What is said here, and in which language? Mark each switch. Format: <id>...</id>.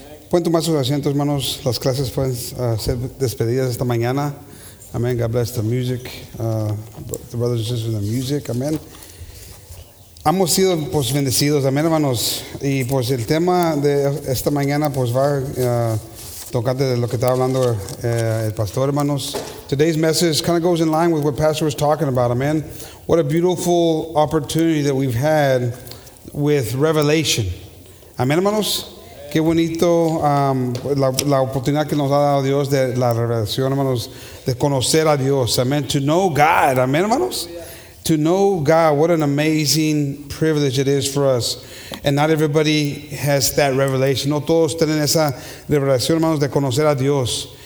<es>Pueden tomar sus asientos, hermanos. Las clases pueden ser despedidas esta mañana. Amén.</es> <en>God bless the music. The brothers and sisters in the music. Amén.</en> <es>Hemos sido pues bendecidos, amén, hermanos. Y pues el tema de esta mañana pues va tocante de lo que estaba hablando el pastor, hermanos.</es> <en>Today's message kind of goes in line with what pastor was talking about, amen. What a beautiful opportunity that we've had with revelation, amén, hermanos.</en> <es>Qué bonito la oportunidad que nos ha dado Dios de la revelación, hermanos, de conocer a Dios, amén.</es> <en>To know God, amén, hermanos. To know God, what an amazing privilege it is for us. And not everybody has that revelation.</en> <es>No todos tienen esa revelación, hermanos, de conocer a Dios.</es>